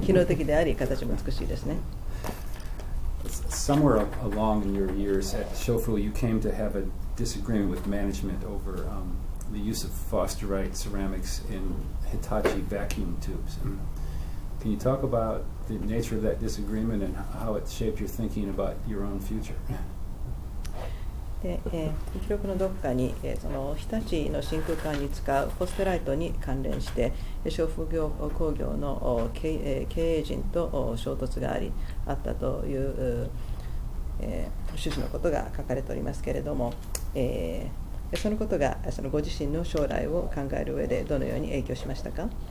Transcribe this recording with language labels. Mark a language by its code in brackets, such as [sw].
[ja] 機能的であり形も美しいですね。 [en] Somewhere along in your years at Shofu, you came to have a disagreement with management over the use of Fosterite ceramics in Hitachi vacuum tubes. Can you talk about the nature of that disagreement and how it shaped your thinking about your own future? [ja] で、記録のどこかに、その日立の真空管に使うフォステライトに関連して商工業の経営陣と衝突がありあったという、趣旨のことが書かれておりますけれども、そのことがそのご自身の将来を考える上でどのように影響しましたか。